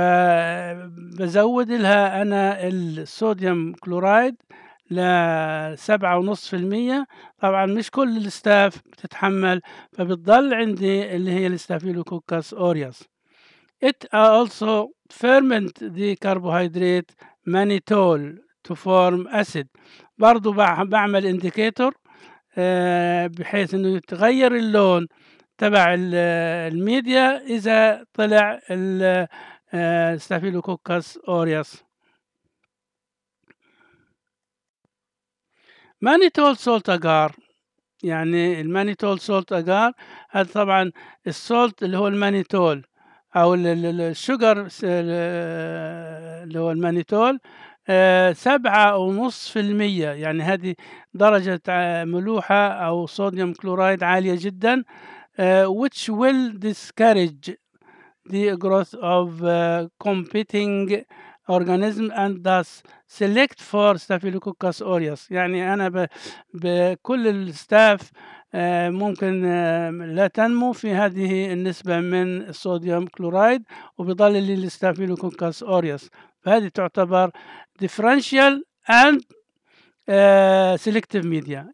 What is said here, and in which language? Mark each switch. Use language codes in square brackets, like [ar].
[ar] فبزود لها أنا الصوديوم كلورايد لسبعة ونصف المية، طبعا مش كل الاستاف بتتحمل، فبتضل عندي اللي هي الستافيلوكوكس أوريوس. [en] It also ferment the carbohydrate mannitol to form acid. [ar] برضو بعمل indicator بحيث انه يتغير اللون تبع الميديا اذا طلع ال Staphylococcus aureus. Mannitol salt agar، يعني المانيتول salt agar هذا طبعا السولت اللي هو المانيتول أو الشجر اللي هو المانيتول 7.5%، يعني هذه درجة ملوحة أو صوديوم كلورايد عالية جدا. [en] which will discourage the growth of competing organism and thus select for Staphylococcus aureus. [ar] يعني أنا بكل الستاف ممكن لا تنمو في هذه النسبة من الصوديوم كلورايد وبيضل لي الستافيلوكوكس أوريوس. فهذه تعتبر [en] differential and selective media.